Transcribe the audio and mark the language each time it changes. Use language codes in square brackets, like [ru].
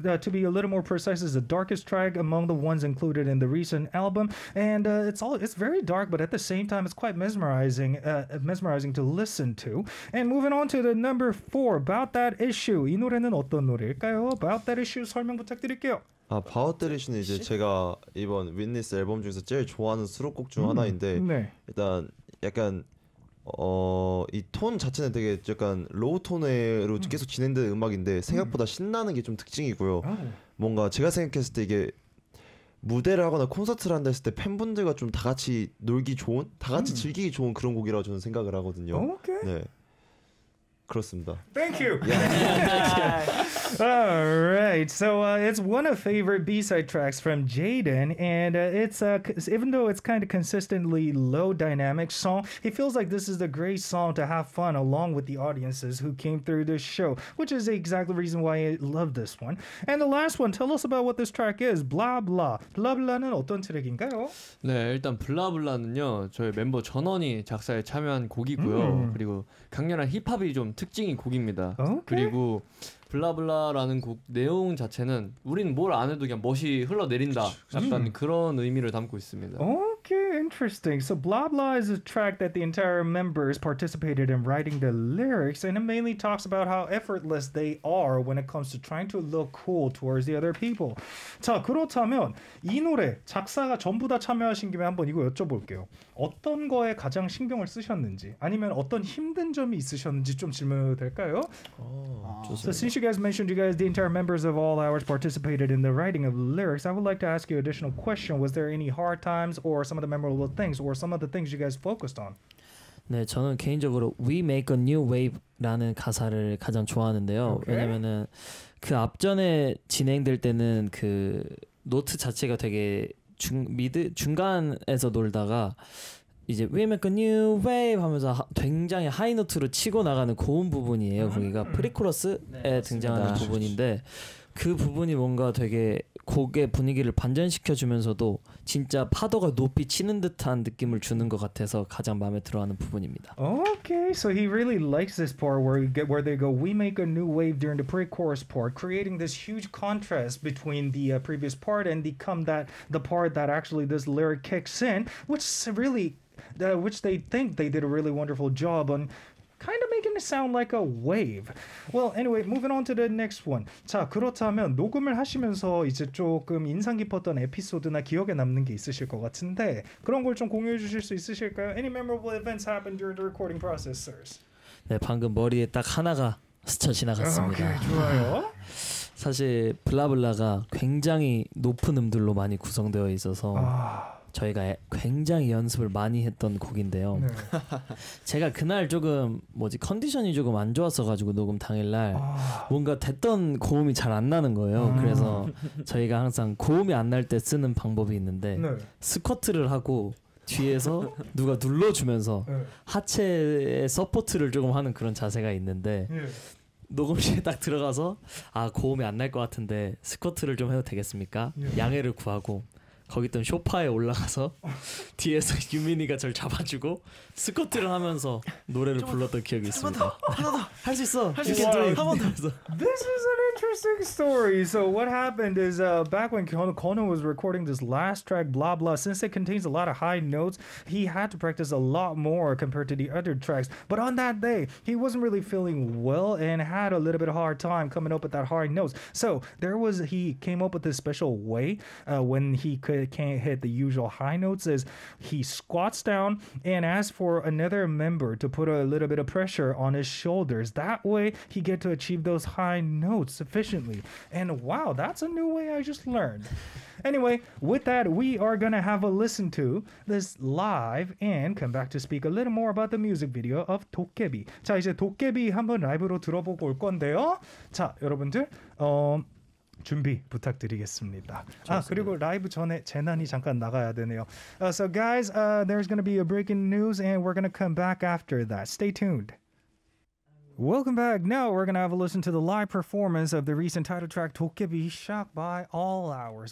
[en] To be a little more precise, it's the darkest track among the ones included in the recent album. And it's all, it's very dark, but at the same time, it's quite mesmerizing, mesmerizing to listen to. And moving on to the number four, About That Issue. [ko] 이 노래는 어떤 노래일까요? About That Issue 설명 부탁드릴게요. About That Issue는 이제 제가 이번 Witness 앨범 중에서 제일 좋아하는 수록곡 중 하나인데 네. 일단 약간 이 톤 자체는 되게 약간 로우 톤으로 계속 진행되는 음악인데 생각보다 신나는 게 좀 특징이고요. 뭔가 제가 생각했을 때 이게 무대를 하거나 콘서트를 한다 했을 때 팬분들과 좀 다 같이 놀기 좋은, 다 같이 즐기기 좋은 그런 곡이라고 저는 생각을 하거든요. 오케이. 네. 그렇습니다. [en] Thank you. Alright, so it's one of favorite B-side tracks from Jaden, and it's even though it's kind of consistently low dynamic song, he feels like this is a great song to have fun along with the audiences who came through this show, which is exactly the reason why I love this one. And the last one, tell us about what this track is. [ko] Blah blah. Blah blah는 어떤 트랙인가요? 네, 일단 Blah blah는요 저희 멤버 전원이 작사에 참여한 곡이고요. 그리고 강렬한 힙합이 좀 특징인 곡입니다. [en] Okay. [ko] 그리고 블라블라라는 곡 내용 자체는 우리는 뭘 안 해도 그냥 멋이 흘러내린다. 약간 그런 의미를 담고 있습니다. [en] Okay, interesting. So Blah Blah is a track that the entire members participated in writing the lyrics and it mainly talks about how effortless they are when it comes to trying to look cool towards the other people. [ko] 자, 그렇다면 이 노래 작사가 전부 다 참여하신 김에 한번 이거 여쭤볼게요. 어떤 거에 가장 신경을 쓰셨는지 아니면 어떤 힘든 점이 있으셨는지 좀 질문해도 될까요? 좋습니다. [en] Since you guys mentioned you guys, the entire members of All Hours participated in the writing of lyrics, I would like to ask you an additional question. Was there any hard times or some of the memorable things or some of the things you guys focused on? [ko] 네, 저는 개인적으로 We Make a New Wave라는 가사를 가장 좋아하는데요. [en] Okay. [ko] 왜냐면은 그 앞전에 진행될 때는 그 노트 자체가 되게 중간에서 놀다가 이제 We Make a New Wave 하면서 굉장히 하이노트로 치고 나가는 고음 부분이에요. 거기가 프리코러스에 네, 등장하는 부분인데 그 부분이 뭔가 되게 곡의 분위기를 반전시켜주면서도 진짜 파도가 높이 치는 듯한 느낌을 주는 것 같아서 가장 마음에 들어하는 부분입니다. [en] Okay, so he really likes this part where they go, we make a new wave during the pre-chorus part, creating this huge contrast between the previous part and the part that actually this lyric kicks in, which they think they did a really wonderful job on kind of making it sound like a wave. Well, anyway, moving on to the next one. [ko] 자, 그렇다면 녹음을 하시면서 이제 조금 인상 깊었던 에피소드나 기억에 남는 게 있으실 것 같은데 그런 걸 좀 공유해 주실 수 있으실까요? [en] Any memorable events happened during the recording process, sirs? [ko] 네, 방금 머리에 딱 하나가 스쳐 지나갔습니다. 오케이, 좋아요. 사실 블라블라가 굉장히 높은 음들로 많이 구성되어 있어서 저희가 굉장히 연습을 많이 했던 곡인데요. 네. 제가 그날 조금 뭐지 컨디션이 조금 안 좋았어가지고 녹음 당일날 뭔가 됐던 고음이 잘 안 나는 거예요. 그래서 저희가 항상 고음이 안 날 때 쓰는 방법이 있는데 네. 스쿼트를 하고 뒤에서 누가 눌러주면서 네. 하체의 서포트를 조금 하는 그런 자세가 있는데 네. 녹음실에 딱 들어가서 아 고음이 안 날 것 같은데 스쿼트를 좀 해도 되겠습니까? 네. 양해를 구하고 거기 있던 소파에 올라가서 뒤에서 유민이가 저를 잡아주고 스쿼트를 하면서 노래를 불렀던 기억이 있습니다. 한 번 더! 할 수 있어! 할 수 있어! 한 번 더! [en] This is an interesting story. So what happened is back when Conan was recording this last track, Blah Blah, since it contains a lot of high notes, he had to practice a lot more compared to the other tracks. But on that day, he wasn't really feeling well and had a little bit of hard time coming up with that high notes. So he came up with this special way when he can't hit the usual high notes is he squats down and asks for another member to put a little bit of pressure on his shoulders. That way he get to achieve those high notes efficiently. And wow, that's a new way I just learned. Anyway, with that, we are gonna have a listen to this live and come back to speak a little more about the music video of 도깨비. [ko] 자, 이제 도깨비 한번 라이브로 들어보고 올 건데요. 자, 여러분들, 준비 부탁드리겠습니다. 좋습니다. 아 그리고 라이브 전에 재난이 잠깐 나가야 되네요. [en] So guys, there's gonna be a breaking news and we're gonna come back after that. Stay tuned. Welcome back. Now we're gonna have a listen to the live performance of the recent title track 도깨비 Shock by All Hours.